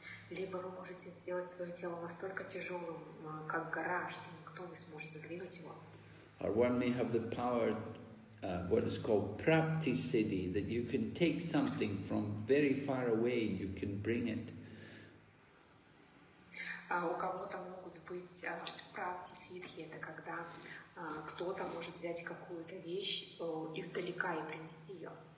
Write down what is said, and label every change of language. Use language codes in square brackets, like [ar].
[ru] Либо вы можете сделать свое тело настолько тяжелым, как гора, что никто не сможет задвинуть его. [en] Or one may have the power, what is called prapti siddhi, that you can take something from very far away and you can bring it. [ru] У кого-то могут быть prapti siddhi, это когда кто-то может взять какую-то вещь издалека и принести ее.